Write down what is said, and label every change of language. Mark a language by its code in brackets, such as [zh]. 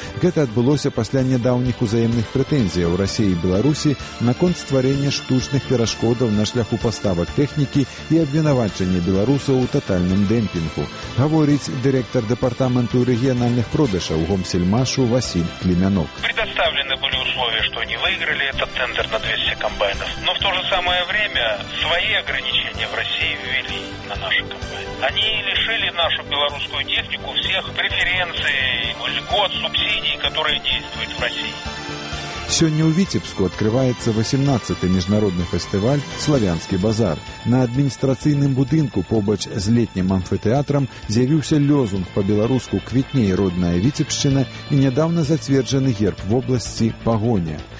[be] Гэта адбылося пасля нядаўніх узаемных прэтэнзіяў Расіі і Беларусі наконт стварэння штучных перашкодаў на шляху паставак тэхнікі і абвінавачання беларусаў у татальным дэмпінгу, гаворыць дырэктар дэпартаменту рэгіянальных продажаў «Гомсельмашу» Васіль Клімянок. [ru] Предоставлены былі условия, што не выйгралі этот тендер на 200 камбайнаў. Но в то же самое время свои ограничения в России ввели на наши компании. Они лишили нашу белорусскую технику всех преференций, льгот, субсидий, которые действуют в России. [be] Сёння ў Віцебску адкрываецца 18-ты міжнародны фестываль «Славянскі базар». На адміністрацыйным будынку побач з летнім амфітэатрам з'явіўся лёзунг па-беларуску «Квітней родная Віцебшчына» і нядаўна зацверджаны герб вобласці «Пагоня».